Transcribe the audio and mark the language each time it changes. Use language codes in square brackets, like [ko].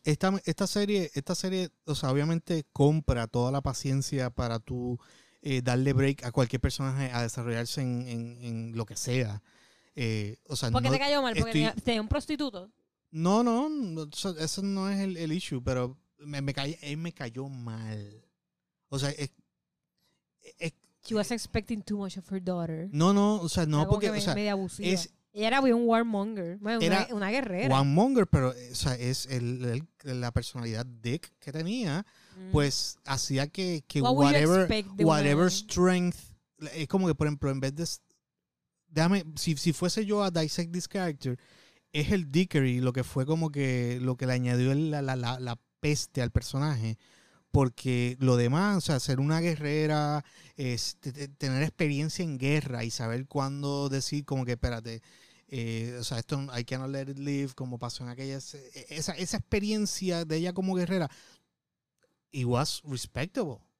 [es] Esta serie, o sea, obviamente compra toda la paciencia para tú darle break a cualquier personaje a desarrollarse en lo que sea. O sea, ¿por qué no, te cayó mal? Porque estoy... tenía un prostituto. No, eso no es el issue, pero me cayó mal. O sea, [en] she was expecting too much of her daughter. [es] No, o sea, no, porque o sea, media abusiva. Ella era un warmonger, una guerrera. Warmonger, pero o sea, es la personalidad dick que tenía, pues hacía que whatever strength, es como que por ejemplo, en vez de si fuese yo a dissect this character, es el dickery lo que fue como que lo que le añadió la peste al personaje, porque lo demás, o sea, ser una guerrera, tener experiencia en guerra y saber cuándo decir como que espérate, o sea, esto [en] I cannot let it live, [es] como pasó en aquella, esa experiencia de ella como guerrera, [en] it was respectable.